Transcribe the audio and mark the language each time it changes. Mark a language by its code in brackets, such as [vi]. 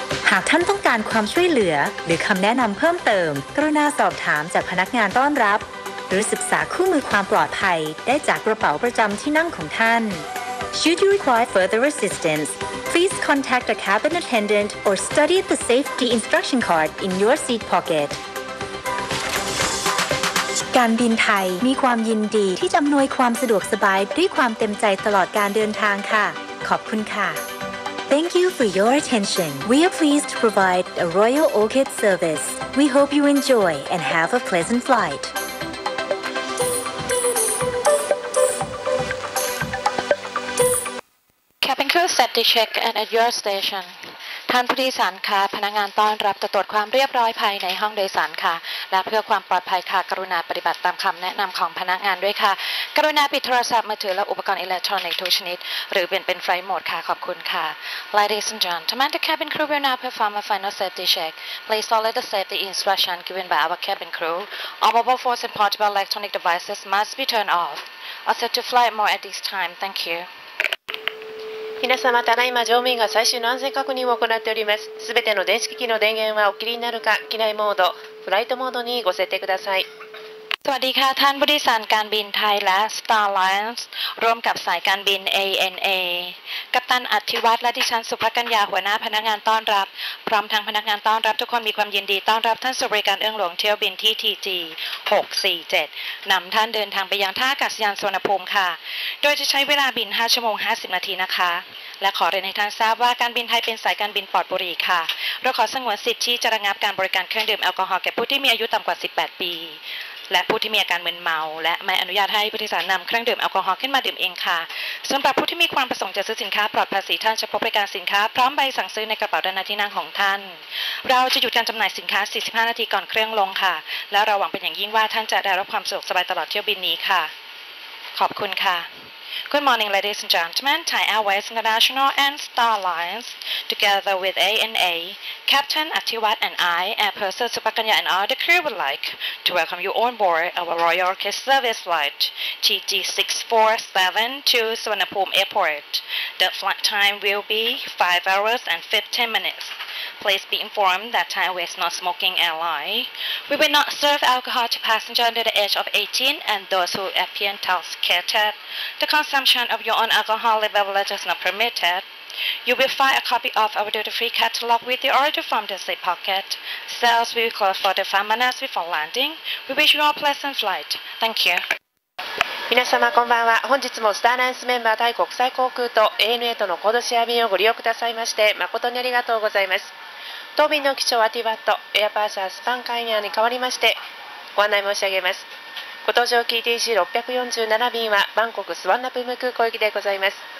[th] หากท่านต้องการความช่วยเหลือหรือคำแนะนำเพิ่มเติมกรุณาสอบถามจากพนักงานต้อนรับหรือศึกษาคู่มือความปลอดภัยได้จากกระเป๋าประจำที่นั่งของท่าน [en] Should you require further assistancePlease contact a cabin attendant or study the safety instruction card in your seat pocket. [th] การบินไทยมีความยินดีที่จะอำนวยความสะดวกสบายด้วยความเต็มใจตลอดการเดินทางค่ะขอบคุณค่ะ [en] Thank you for your attention. We are pleased to provide a Royal Orchid service. We hope you enjoy and have a pleasant flight. Set the check and at your station. [th] ท่านผู้โดยสารคะพนักงานต้อนรับจะตรวจความเรียบร้อยภายในห้องโดยสารคะและเพื่อความปลอดภัยคะกรุณาปฏิบัติตามคำแนะนำของพนักงานด้วยคะกรุณาปิดโทรศัพท์มือถือและอุปกรณ์อิเล็กทรอนิกส์ทุกชนิดหรือเปลี่ยนเป็นไฟล์โหมดคะขอบคุณคะ [en] Ladies and gentlemen, the cabin crew will now perform a final safety check. Please follow the safety instruction given by our cabin crew. All mobile phones and portable electronic devices must be turned off. Are set to flight mode at this time. Thank you. [ja] 皆様ただいま乗務員が最終の安全確認を行っております。すべての電子機器の電源はお切りになるか、機内モード、フライトモードにご設定ください。 [th] สวัสดีค่ะท่านผู้โดยสารการบินไทยและ Star Lines ร่วมกับสายการบิน ANA กัปตันอธิวัฒน์และดิฉันสุภกัญญาหัวหน้าพนักงานต้อนรับพร้อมทั้งพนักงานต้อนรับทุกคนมีความยินดีต้อนรับท่านสู่บริการเอื้องหลวงเที่ยวบินที่ TG647 นำท่านเดินทางไปยังท่าอากาศยานสุวรรณภูมิค่ะโดยจะใช้เวลาบิน5ชั่วโมง50นาทีนะคะและขอเรียนให้ท่านทราบว่าการบินไทยเป็นสายการบินปลอดบุหรี่ค่ะเราขอสงวนสิทธิ์ที่จะระงับการบริการเครื่องดื่มแอลกอฮอล์แก่ผู้ที่มีอายุต่ำกว่า18ปี และผู้ที่มีอาการมึนเมาและไม่อนุญาตให้ผู้โดยสารนำเครื่องดื่มแอลกอฮอล์ขึ้นมาดื่มเองค่ะสำหรับผู้ที่มีความประสงค์จะซื้อสินค้าปลอดภาษีท่านจะพบบริการสินค้าพร้อมใบสั่งซื้อในกระเป๋าด้านหน้าที่นั่งของท่านเราจะหยุดการจำหน่ายสินค้า45นาทีก่อนเครื่องลงค่ะและเราหวังเป็นอย่างยิ่งว่าท่านจะได้รับความสะดวกสบายตลอดเที่ยวบินนี้ค่ะขอบคุณค่ะ [en] Good morning, ladies and gentlemen. Thai Airways International and Star Lines, together with ANA, Captain Atiwat and I, Air Purser Supakanya and all the crew would like to welcome you on board our Royal Orchid Service flight, TG647 to Suvarnabhumi Airport. The flight time will be 5 hours and 15 minutes. Please be informed that Thai Airways is not smoking airline. We will not serve alcohol to passengers under the age of 18 and those who appear intoxicated. The consumption of your own alcoholic beverage is not permitted. You will find a copy of our duty-free catalog with the order from the seat pocket. Sales will close for the 5 minutes before landing. We wish you a pleasant flight. Thank you. [ja] 皆様こんばんは。本日もスターランスメンバー対国際航空と ANA とのコードシェア便をご利用くださいまして誠にありがとうございます。当便の機長はティワット、エアパーサースパンカイニャーに代わりましてご案内申し上げます。ご搭乗機 TG647 便はバンコクスワンナプム空港行きでございます。